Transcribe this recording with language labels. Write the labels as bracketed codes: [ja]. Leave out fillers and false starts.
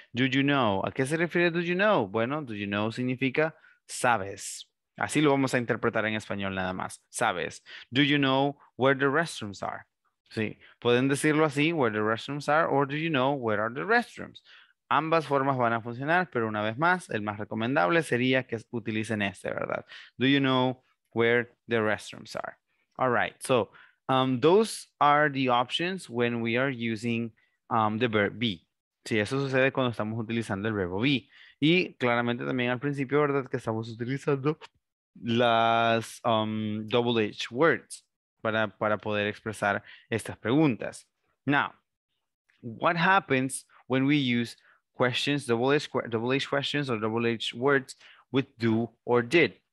[en] Do you know, [es] ¿a qué se refiere do you know? Bueno, do you know significa sabes, así lo vamos a interpretar en español nada más, sabes. [en] Do you know where the restrooms are? [es] Sí, pueden decirlo así, [en] where the restrooms are, or do you know where are the restrooms? [es] Ambas formas van a funcionar, pero una vez más, el más recomendable sería que utilicen este, ¿verdad? [en] Do you know where the restrooms are? All right, so, those are the options when we are using the verb be. [es] Sí, eso sucede cuando estamos utilizando el verbo be. Y claramente también al principio, ¿verdad?, que estamos utilizando las double H words para poder expresar estas preguntas. [en] Now, what happens when we use questions, double H questions or double H words with do or did?